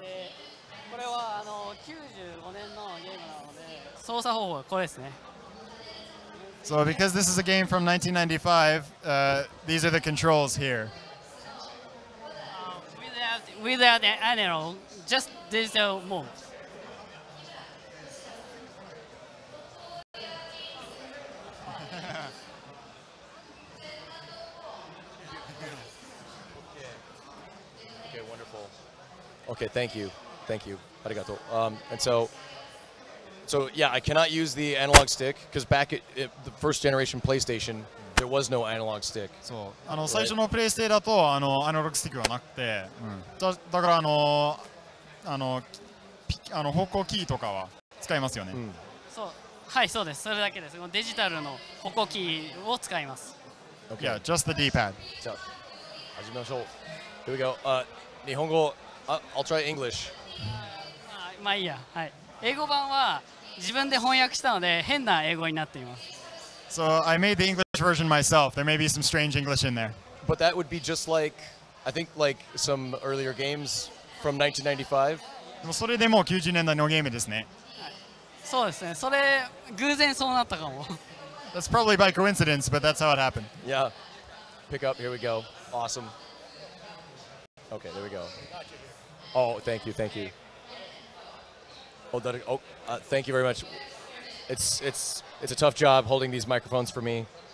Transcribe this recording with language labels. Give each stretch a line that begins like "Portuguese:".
Japanese: で、これは95年のゲームなので、操作方法はこれですね。
English: So because this is a game from 1995, these are the controls here. Without an analog. Just digital moves. Okay, wonderful. Okay, thank you. Arigato. Yeah, I cannot use the analog stick because back at the first generation PlayStation, there was no analog stick. So, right.
Japanese: 最初のプレイステーだとアナログスティックはなくて、だから方向キーとかは使いますよね。そう、はい、そうです。それだけです。デジタルの方向キーを使います。
English: Okay, yeah, just the D-pad.
Japanese: じゃあ、始めましょう。
English: Here we go.
Japanese: 日本語、
English: I'll try English.
Japanese: まあいいや、はい。英語版は自分で翻訳したので変な英語になっています。
English: So I made the English version myself. There may be some strange English in there. But that would be just like, I think, like some earlier games from 1995.
Japanese: でもそれでも90年代のゲームですね。そうですね。それ偶然そうなったかも。
English: That's probably by coincidence, but that's how it happened. Yeah. Pick up. Here we go. Awesome. Okay, there we go. Oh, thank you. Thank you. Thank you very much. It's a tough job holding these microphones for me.